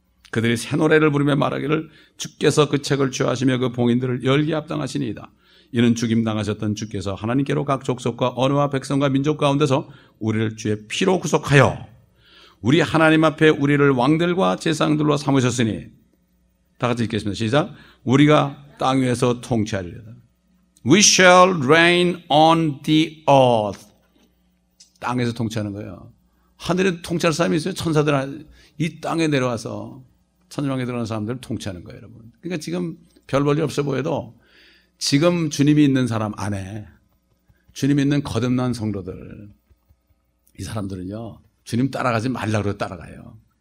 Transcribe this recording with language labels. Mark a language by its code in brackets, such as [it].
[ko] 그들이 새 노래를 부르며 말하기를 주께서 그 책을 취하시며 그 봉인들을 열기에 합당하시니이다. 이는 죽임 당하셨던 주께서 하나님께로 각 족속과 언어와 백성과 민족 가운데서 우리를 주의 피로 구속하여 우리 하나님 앞에 우리를 왕들과 제사장들로 삼으셨으니 다 같이 읽겠습니다. 시작. 우리가 땅 위에서 통치하리라. [en] We shall reign on the earth. [ko] 땅에서 통치하는 거예요. 하늘에 통치할 사람이 있어요. 천사들 이 땅에 내려와서 천년왕에 들어간 사람들을 통치하는 거예요, 여러분. 그러니까 지금 별 볼일 없어 보여도 지금 주님이 있는 사람 안에 주님이 있는 거듭난 성도들 이 사람들은요 주님 따라가지 말라고 따라가요.